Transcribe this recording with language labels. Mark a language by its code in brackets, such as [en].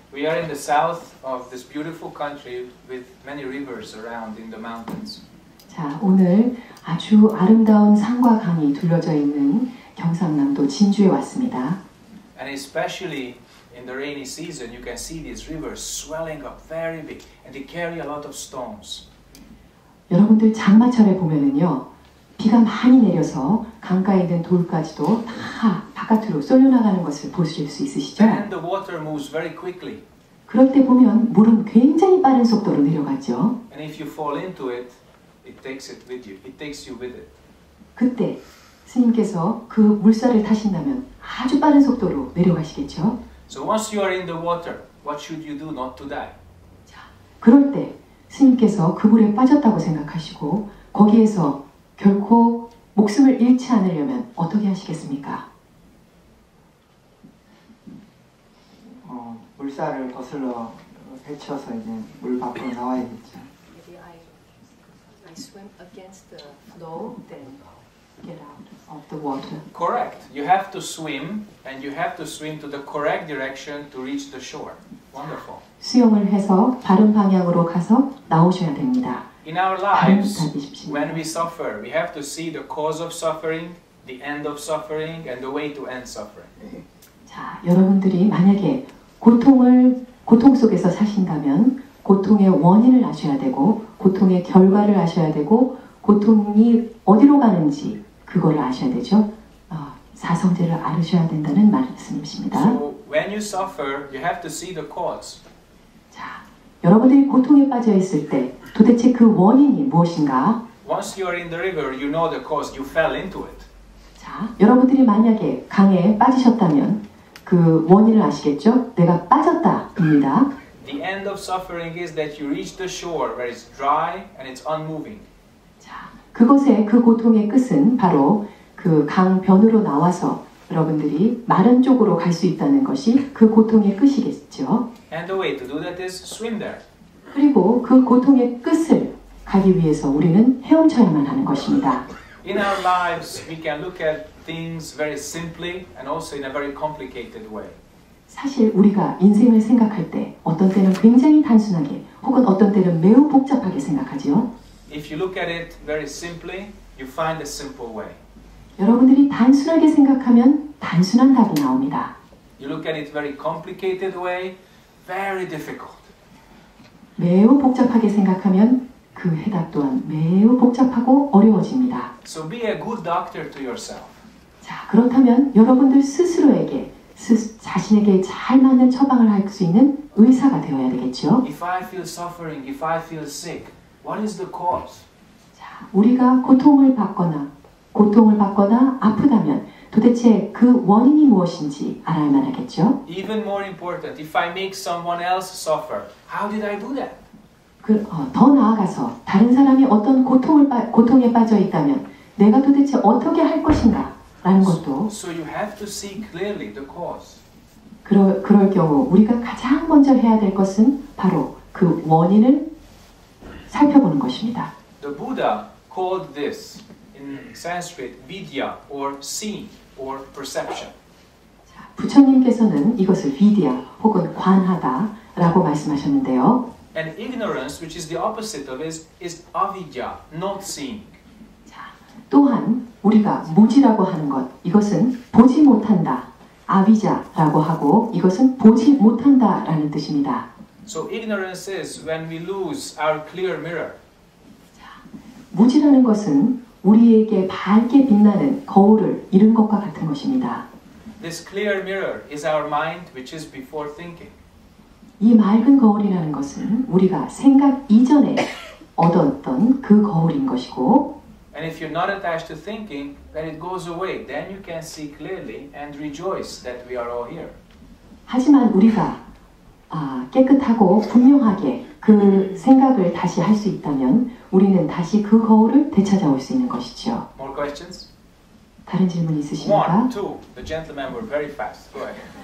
[en] We are in the south of this beautiful country with many rivers around in the mountains. [ko] 자, 오늘 아주 아름다운 산과 강이 둘러져 있는 경상남도 진주에 왔습니다. [en] And especially in the rainy season, you can see these rivers swelling up very big, and they carry a lot of storms. [ko] 여러분들 장마철에 보면은요. 비가 많이 내려서 강가에 있는 돌까지도 다 바깥으로 쏠려나가는 것을 보실 수 있으시죠? [en] And the water moves very quickly. [ko] 그럴 때 보면 물은 굉장히 빠른 속도로 내려가죠. [en] And if you fall into it, it takes it with you. It takes you with it. [ko] 그때 스님께서 그 물살을 타신다면 아주 빠른 속도로 내려가시겠죠? [en] So once you are in the water, what should you do not to die? [ko] 자, 그럴 때 스님께서 그 물에 빠졌다고 생각하시고 거기에서 결코 목숨을 잃지 않으려면 어떻게 하시겠습니까? 물살을 거슬러 헤쳐서 이제 물 밖으로 나와야겠죠. [en] Maybe I swim against the flow, then get out of the water. Correct. You have to swim, and you have to swim to the correct direction to reach the shore. Wonderful. [ko] 수영을 해서 바른 방향으로 가서 나오셔야 됩니다. [en] In our lives, when we suffer, we have to see the cause of suffering, the end of suffering, and the way to end suffering. [ko] 자, 여러분들이 만약에 고통 속에서 사신다면 고통의 원인을 아셔야 되고 고통의 결과를 아셔야 되고 고통이 어디로 가는지 그걸 아셔야 되죠. 사성제를 아르셔야 된다는 말씀이십니다. [en] So when you suffer, you have to see the cause. [ko] 자, 여러분들이 고통에 빠져 있을 때 도대체 그 원인이 무엇인가? [en] Once you are in the river, you know the cause. You fell into it. [ko] 자, 여러분들이 만약에 강에 빠지셨다면 그 원인을 아시겠죠? 내가 빠졌다입니다. [en] The end of suffering is that you reach the shore where it's dry and it's unmoving. [ko] 자, 그것의 그 고통의 끝은 바로 그 강 변으로 나와서 여러분들이 마른 쪽으로 갈 수 있다는 것이 그 고통의 끝이겠죠. [en] And the way to do that is swim there. [ko] 그리고 그 고통의 끝을 가기 위해서 우리는 헤엄쳐야만 하는 것입니다. [en] In our lives, we can look at things very simply and also in a very complicated way. [ko] 사실 우리가 인생을 생각할 때 어떤 때는 굉장히 단순하게 혹은 어떤 때는 매우 복잡하게 생각하지요. [en] If you look at it very simply, you find a simple way. [ko] 여러분들이 단순하게 생각하면 단순한 답이 나옵니다. [en] You look at it very complicated way, very difficult. [ko] 매우 복잡하게 생각하면 그 해답 또한 매우 복잡하고 어려워집니다. [en] So be a good doctor to yourself. [ko] 자, 그렇다면 여러분들 스스로에게 자신에게 잘 맞는 처방을 할 수 있는 의사가 되어야 되겠죠. [en] If I feel suffering, if I feel sick, what is the cause? [ko] 자, 우리가 고통을 받거나 아프다면 도대체 그 원인이 무엇인지 알아야 만하겠죠. [en] Even more important, if I make someone else suffer, how did I do that? [ko] 더 나아가서 다른 사람이 어떤 고통에 빠져 있다면 내가 도대체 어떻게 할 것인가? 라는 것도 [en] so you have to see clearly the cause. [ko] 그럴 경우 우리가 가장 먼저 해야 될 것은 바로 그 원인을 살펴보는 것입니다. [en] The Buddha called this in Sanskrit vidya or seeing or perception. [ko] 자, 부처님께서는 이것을 vidya 혹은 관하다라고 말씀하셨는데요. [en] And ignorance, which is the opposite of it, is avidya, not seeing. [ko] 또한 우리가 무지라고 하는 것, 이것은 보지 못한다, 아비자라고 하고 이것은 보지 못한다라는 뜻입니다. [en] So ignorance is when we lose our clear mirror. [ko] 자, 무지라는 것은 우리에게 밝게 빛나는 거울을 잃은 것과 같은 것입니다. [en] This clear mirror is our mind, which is before thinking. [ko] 이 맑은 거울이라는 것은 우리가 생각 이전에 얻었던 그 거울인 것이고 [en] And if you're not attached to thinking, then it goes away. Then you can see clearly and rejoice that we are all here. [ko] 하지만 우리가 깨끗하고 분명하게 그 생각을 다시 할 수 있다면 우리는 다시 그 거울을 되찾아올 수 있는 것이죠. [en] More questions? [ko] 다른 질문 있으십니까? [en] One, two. The gentlemen were very fast. Go ahead.